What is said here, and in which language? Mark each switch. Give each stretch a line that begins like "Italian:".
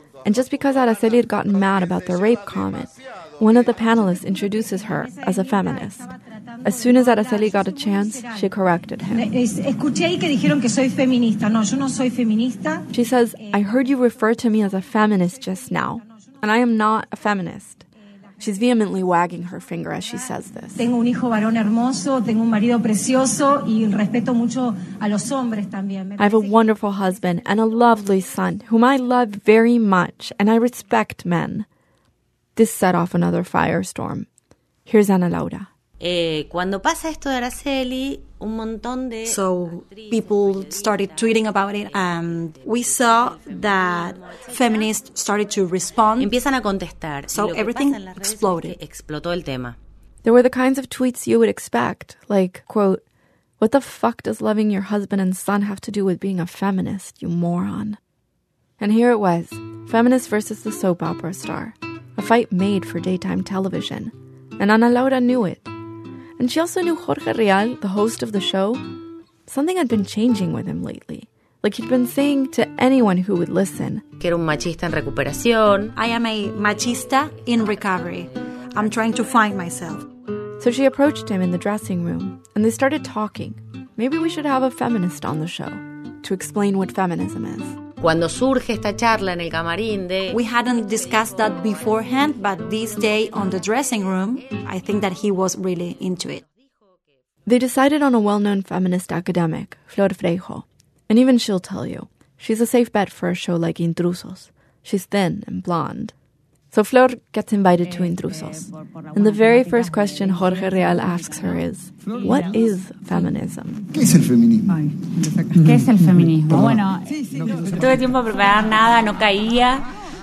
English: And just because Araceli had gotten mad about the rape comment, one of the panelists introduces her as a feminist. As soon as Araceli got a chance, she corrected him. She says, I heard you refer to me as a feminist just now, and I am not a feminist. She's vehemently wagging her finger as she says this.
Spanish: Tengo un hijo varón hermoso, tengo un marido precioso, y respeto mucho a los hombres también.
English: I have a wonderful husband and a lovely son, whom I love very much, and I respect men. This set off another firestorm. Here's Ana Laura.
Spanish: Cuando pasa esto de Araceli, un montón de...
English: So people started tweeting about it, and we saw that feminists started to respond.
Spanish: Empiezan a contestar.
English: So everything exploded.
Spanish: Explotó el tema.
English: There were the kinds of tweets you would expect, like, quote, what the fuck does loving your husband and son have to do with being a feminist, you moron? And here it was, feminist versus the soap opera star, a fight made for daytime television. And Ana Laura knew it. And she also knew Jorge Rial, the host of the show. Something had been changing with him lately. Like he'd been saying to anyone who would listen.
Spanish: Que era un machista en recuperación.
English: I am a machista in recovery. I'm trying to find myself. So she approached him in the dressing room, and they started talking. Maybe we should have a feminist on the show to explain what feminism is.
Spanish: Cuando surge esta charla en el camarín de...
English: We hadn't discussed that beforehand, but this day on the dressing room, I think that he was really into it. They decided on a well-known feminist academic, Flor Freijo. And even she'll tell you, she's a safe bet for a show like Intrusos. She's thin and blonde. So Flor gets invited to Intrusos. And the very first question Jorge Rial asks her is, what is feminism?
Spanish: ¿Qué es el feminismo? ¿Qué es el feminismo? Bueno, no tuve tiempo para preparar nada, no caía.